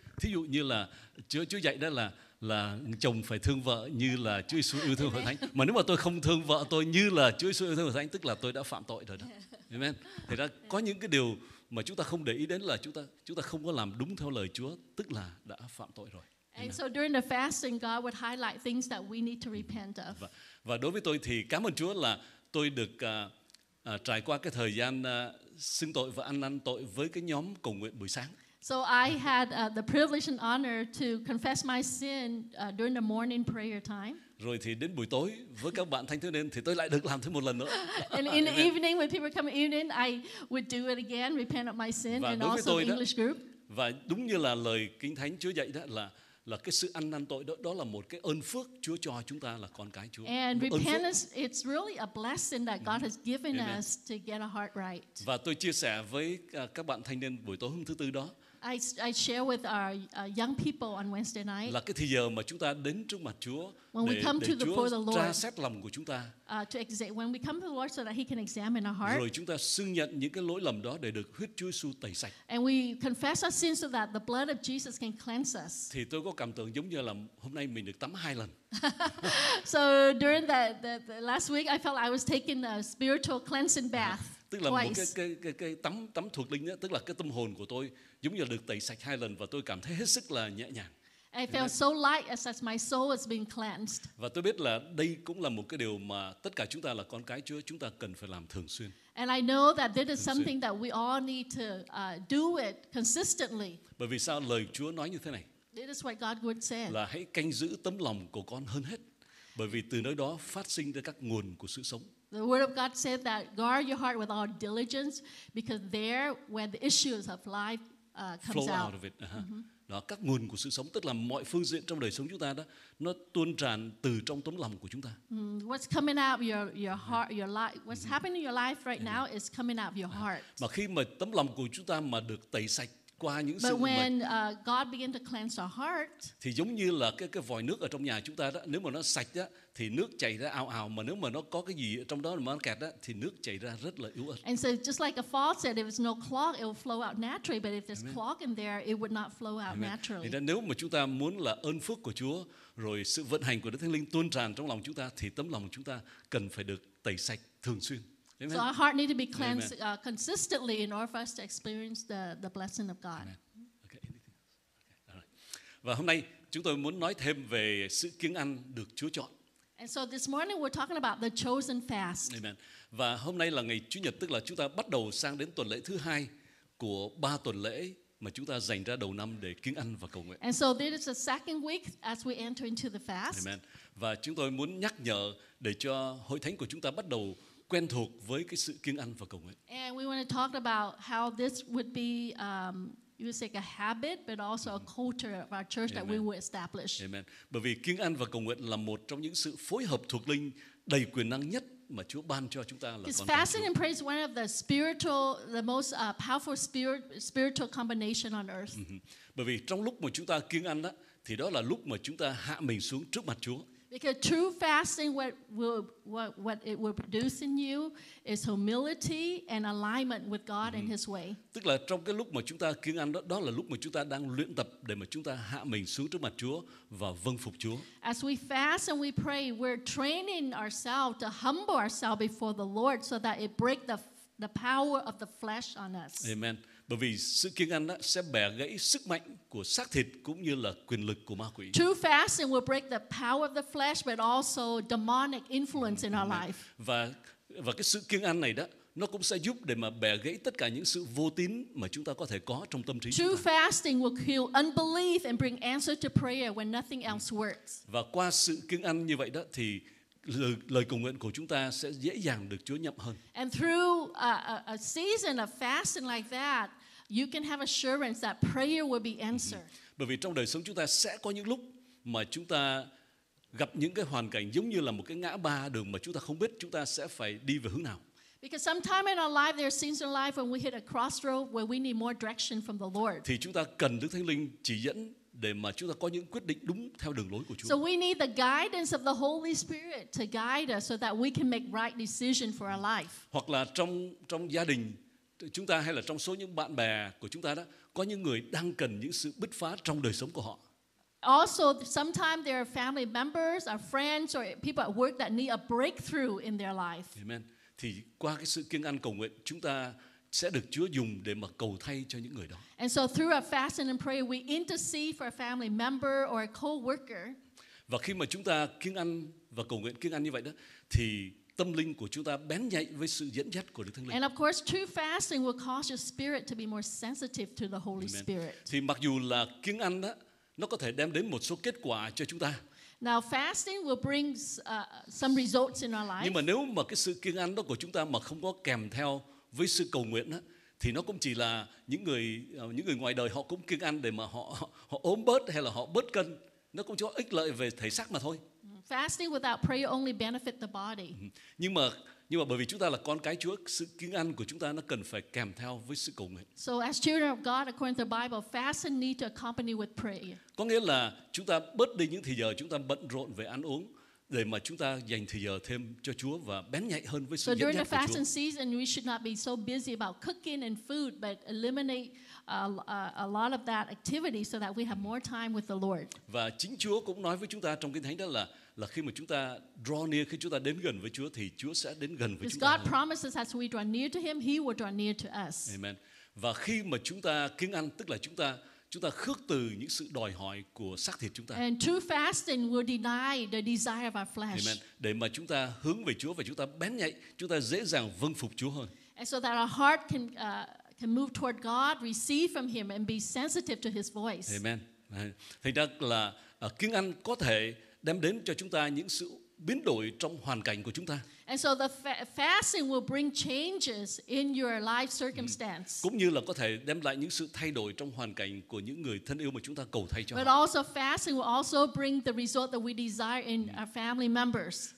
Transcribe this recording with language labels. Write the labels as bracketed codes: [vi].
[vi] Thí dụ như là Chúa dạy đó là chồng phải thương vợ như là Chúa Giêsu yêu thương Hội Thánh. Mà nếu mà tôi không thương vợ tôi như là Chúa Giêsu yêu thương Hội Thánh, tức là tôi đã phạm tội rồi đó. Amen. Thì đó có những cái điều mà chúng ta không để ý đến là chúng ta không có làm đúng theo lời Chúa, tức là đã phạm tội rồi. Amen. [en] And so during the fasting, God would highlight things that we need to repent of. [vi] Và đối với tôi thì cảm ơn Chúa là tôi được trải qua cái thời gian xưng tội và ăn năn tội với cái nhóm cầu nguyện buổi sáng. [en] So I had the privilege and honor to confess my sin during the morning prayer time. [vi] Rồi thì đến buổi tối với các bạn thanh thiếu niên thì tôi lại được làm thêm một lần nữa. [en] And in the evening when people come evening, I would do it again, repent of my sin, and also the English group. [vi] Và đúng như là lời Kinh Thánh Chúa dạy đó là cái sự ăn năn tội đó là một cái ơn phước Chúa cho chúng ta là con cái Chúa. [en] And repentance, it's really a blessing that God has given us to get a heart right. [vi] Và tôi chia sẻ với các bạn thanh niên buổi tối hôm thứ tư đó. [en] I share with our young people on Wednesday night. [vi] Là cái thời giờ mà chúng ta đến trước mặt Chúa để Chúa tra xét lòng của chúng ta. [en] When we come to the Lord so that He can examine our heart. [vi] Rồi chúng ta xưng nhận những cái lỗi lầm đó để được huyết Chúa Giêsu tẩy sạch. [en] And we confess our sins so that the blood of Jesus can cleanse us. [vi] Thì tôi có cảm tưởng giống như là hôm nay mình được tắm 2 lần. [en] So during the last week, I felt like I was taking a spiritual cleansing bath. [vi] Tức là một cái tắm thuộc linh đó, tức là cái tâm hồn của tôi giống như là được tẩy sạch 2 lần và tôi cảm thấy hết sức là nhẹ nhàng. [en] I felt so light as my soul has been cleansed. [vi] Và tôi biết là đây cũng là một cái điều mà tất cả chúng ta là con cái Chúa, chúng ta cần phải làm thường xuyên. [en] And I know that this is something that we all need to do it consistently. [vi] Bởi vì sao lời Chúa nói như thế này? [en] This is what God would say. [vi] Là hãy canh giữ tấm lòng của con hơn hết. Bởi vì từ nơi đó phát sinh ra các nguồn của sự sống. [en] The word of God said that guard your heart with all diligence because there where the issues of life comes flow out. Of it. Uh-huh. Mm-hmm. [vi] Đó các nguồn của sự sống, tức là mọi phương diện trong đời sống chúng ta đó nó tuôn tràn từ trong tấm lòng của chúng ta. [en] What's coming out of your heart, your life, what's happening in your life right now is coming out of your heart. [vi] Mà khi mà tấm lòng của chúng ta mà được tẩy sạch qua những sự [en] God began to cleanse our heart, [vi] thì giống như là cái vòi nước ở trong nhà chúng ta đó, nếu mà nó sạch đó, thì nước chảy ra ào ào, mà nếu mà nó có cái gì trong đó mà nó kẹt đó, thì nước chảy ra rất là yếu ớt. [en] And so just like a faucet, if there's no clog, it will flow out naturally, but if there's clog in there, it would not flow out naturally. [vi] Thì nếu mà chúng ta muốn là ơn phước của Chúa rồi sự vận hành của Đức Thánh Linh tuôn tràn trong lòng chúng ta, thì tấm lòng chúng ta cần phải được tẩy sạch thường xuyên. [en] So our heart needs to be cleansed consistently in order for us to experience the blessing of God. Okay. [vi] Và hôm nay chúng tôi muốn nói thêm về sự kiêng ăn được Chúa chọn. [en] And so this morning we're talking about the chosen fast. Amen. [vi] Và hôm nay là ngày Chủ nhật, tức là chúng ta bắt đầu sang đến tuần lễ thứ hai của ba tuần lễ mà chúng ta dành ra đầu năm để kiêng ăn và cầu nguyện. [en] And so this is the second week as we enter into the fast. Amen. [vi] Và chúng tôi muốn nhắc nhở để cho hội thánh của chúng ta bắt đầu quen thuộc với cái sự kiêng ăn và cầu nguyện. [en] And we want to talk about how this would be, you would say a habit, but also a culture of our church. Amen. That we would establish. Amen. [vi] Bởi vì kiêng ăn và cầu nguyện là một trong những sự phối hợp thuộc linh đầy quyền năng nhất mà Chúa ban cho chúng ta là con. [en] Fasting and prayer is one of the spiritual, the most powerful spiritual combination on earth. [vi] Bởi vì trong lúc mà chúng ta kiêng ăn đó, thì đó là lúc mà chúng ta hạ mình xuống trước mặt Chúa. [en] Because true fasting, what it will produce in you is humility and alignment with God and His way. [vi] Tức là trong cái lúc mà chúng ta kiêng ăn đó, đó là lúc mà chúng ta đang luyện tập để mà chúng ta hạ mình xuống trước mặt Chúa và vâng phục Chúa. [en] As we fast and we pray, we're training ourselves to humble ourselves before the Lord so that it break the power of the flesh on us. Amen. [vi] Bởi vì sự kiêng ăn đó sẽ bẻ gãy sức mạnh của xác thịt cũng như là quyền lực của ma quỷ. [en] True fasting will break the power of the flesh but also demonic influence in our life. [vi] Và cái sự kiêng ăn này đó, nó cũng sẽ giúp để mà bẻ gãy tất cả những sự vô tín mà chúng ta có thể có trong tâm trí chúng ta. [en] True fasting will heal unbelief and bring answer to prayer when nothing else works. [vi] Và qua sự kiêng ăn như vậy đó thì lời cầu nguyện của chúng ta sẽ dễ dàng được Chúa nhậm hơn. [en] And through a season of fasting like that, you can have assurance that prayer will be answered. [vi] Bởi vì trong đời sống chúng ta sẽ có những lúc mà chúng ta gặp những cái hoàn cảnh giống như là một cái ngã ba đường mà chúng ta không biết chúng ta sẽ phải đi về hướng nào. [en] Because sometimes in our life there are seasons in life when we hit a crossroad where we need more direction from the Lord. [vi] Thì chúng ta cần Đức Thánh Linh chỉ dẫn để mà chúng ta có những quyết định đúng theo đường lối của Chúa. [en] So we need the guidance of the Holy Spirit to guide us so that we can make right decision for our life. [vi] Hoặc là trong gia đình chúng ta hay là trong số những bạn bè của chúng ta đó, có những người đang cần những sự bứt phá trong đời sống của họ. [en] Also, sometimes there are family members, our friends or people at work that need a breakthrough in their life. Amen. [vi] Thì qua cái sự kiêng ăn cầu nguyện, chúng ta sẽ được Chúa dùng để mà cầu thay cho những người đó. [en] And so through our fasting and prayer, we intercede for a family member or a co-worker. [vi] Và khi mà chúng ta kiêng ăn và cầu nguyện kiêng ăn như vậy đó, thì tâm linh của chúng ta bén nhạy với sự dẫn dắt của Đức Thánh Linh. [en] And of course, true fasting will cause your spirit to be more sensitive to the Holy Spirit. [vi] Thì mặc dù là kiêng ăn đó, nó có thể đem đến một số kết quả cho chúng ta. [en] Now fasting will bring some results in our life. [vi] Nhưng mà nếu mà cái sự kiêng ăn đó của chúng ta mà không có kèm theo với sự cầu nguyện đó, thì nó cũng chỉ là những người ngoài đời họ cũng kiêng ăn để mà họ ốm bớt hay là họ bớt cân, nó cũng cho ích lợi về thể xác mà thôi. [en] Fasting without prayer only benefit the body. [vi] Nhưng mà bởi vì chúng ta là con cái Chúa, sự kiêng ăn của chúng ta nó cần phải kèm theo với sự cầu nguyện. [en] So as children of God according to the Bible, fasting need to accompany with prayer. [vi] Có nghĩa là chúng ta bớt đi những thời giờ chúng ta bận rộn về ăn uống để mà chúng ta dành thời giờ thêm cho Chúa và bén nhạy hơn với sự dẫn dắt của Chúa. [en] So during the fasting season, we should not be so busy about cooking and food, but eliminate a lot of that activity so that we have more time with the Lord. [vi] Và chính Chúa cũng nói với chúng ta trong Kinh Thánh đó là khi mà chúng ta [en] draw near, [vi] khi chúng ta đến gần với Chúa thì Chúa sẽ đến gần với chúng ta. [en] God promises as we draw near to Him, He will draw near to us. Amen. [vi] Và khi mà chúng ta kiêng ăn, tức là chúng ta khước từ những sự đòi hỏi của xác thịt chúng ta. [en] And true fasting will deny the desire of our flesh. Amen. [vi] Để mà chúng ta hướng về Chúa và chúng ta bén nhạy, chúng ta dễ dàng vâng phục Chúa hơn. [en] And so that our heart can move toward God, receive from Him and be sensitive to His voice. [vi] Amen. Thành ra là kiêng ăn có thể đem đến cho chúng ta những sự biến đổi trong hoàn cảnh của chúng ta. [en] And so the fasting will bring changes in your life circumstance. [vi] Cũng như là có thể đem lại những sự thay đổi trong hoàn cảnh của những người thân yêu mà chúng ta cầu thay cho. [en] But also fasting will also bring the result that we desire in our family members.